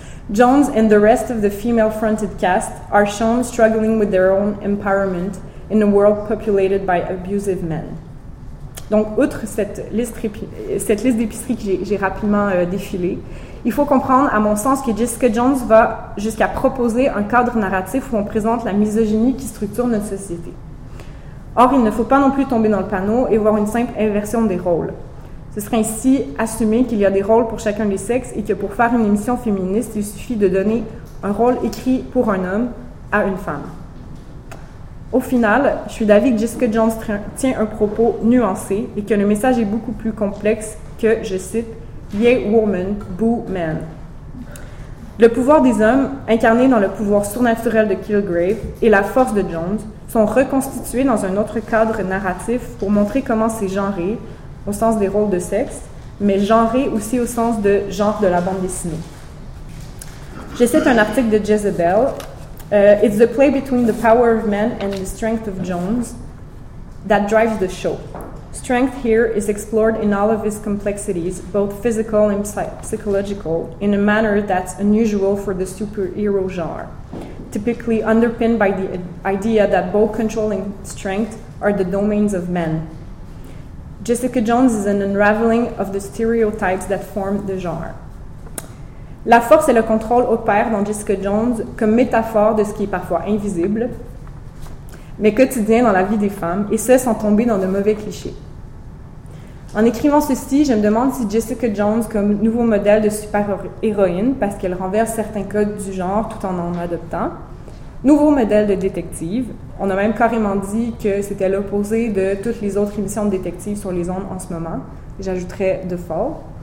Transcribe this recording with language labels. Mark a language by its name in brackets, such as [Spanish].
[English] Jones and the rest of the female-fronted cast are shown struggling with their own empowerment in a world populated by abusive men. [French] Donc, outre cette liste d'épiceries que j'ai rapidement défilée, il faut comprendre, à mon sens, que Jessica Jones va jusqu'à proposer un cadre narratif où on présente la misogynie qui structure notre société. Or, il ne faut pas non plus tomber dans le panneau et voir une simple inversion des rôles. Ce serait ainsi assumer qu'il y a des rôles pour chacun des sexes et que pour faire une émission féministe, il suffit de donner un rôle écrit pour un homme à une femme. Au final, je suis d'avis que Jessica Jones tient un propos nuancé et que le message est beaucoup plus complexe que, je cite, « [English] Yay woman, boo man ». [French] Le pouvoir des hommes, incarné dans le pouvoir surnaturel de Kilgrave et la force de Jones, sont reconstitués dans un autre cadre narratif pour montrer comment c'est genré, au sens des rôles de sexe, mais genré aussi au sens de genre de la bande dessinée. Je cite un article de Jezebel, [English] It's the play between the power of men and the strength of Jones that drives the show. Strength here is explored in all of its complexities, both physical and psychological, in a manner that's unusual for the superhero genre, typically underpinned by the idea that both control and strength are the domains of men. Jessica Jones is an unraveling of the stereotypes that form the genre. [French] La force et le contrôle opèrent dans Jessica Jones comme métaphore de ce qui est parfois invisible, mais quotidien dans la vie des femmes, et ce, sans tomber dans de mauvais clichés. En écrivant ceci, je me demande si Jessica Jones, comme nouveau modèle de super-héroïne, parce qu'elle renverse certains codes du genre tout en en adoptant, nouveau modèle de détective, on a même carrément dit que c'était l'opposé de toutes les autres émissions de détective sur les ondes en ce moment, j'ajouterais de fort.